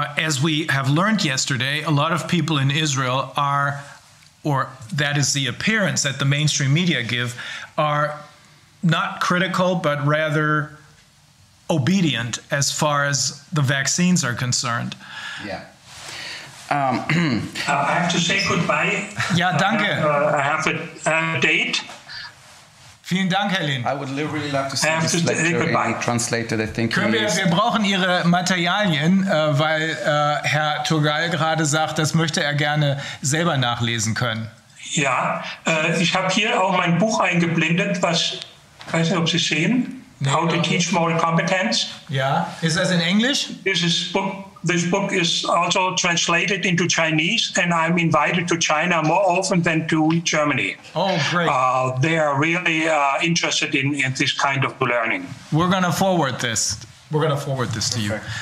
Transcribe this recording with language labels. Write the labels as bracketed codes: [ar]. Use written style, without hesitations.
[en] As we have learned yesterday, a lot of people in Israel are, or that is the appearance that the mainstream media give, are not critical, but rather obedient as far as the vaccines are concerned. Yeah. I have to say goodbye. [de] Ja, danke. [en] I have a date. [de] Vielen Dank, Helen. [en] I would really love to see this lecture translated. I think [de] können wir, wir brauchen Ihre Materialien, weil Herr Turgal gerade sagt, das möchte er gerne selber nachlesen können. Ja, ich habe hier auch mein Buch eingeblendet, was, weiß nicht, ob Sie sehen, nee, How to Teach Moral Competence. Ja, ist das in Englisch? [en] This is book. This book is also translated into Chinese, and I'm invited to China more often than to Germany. Oh, great. They are really interested in this kind of learning. We're going to forward this. We're going to forward this to you.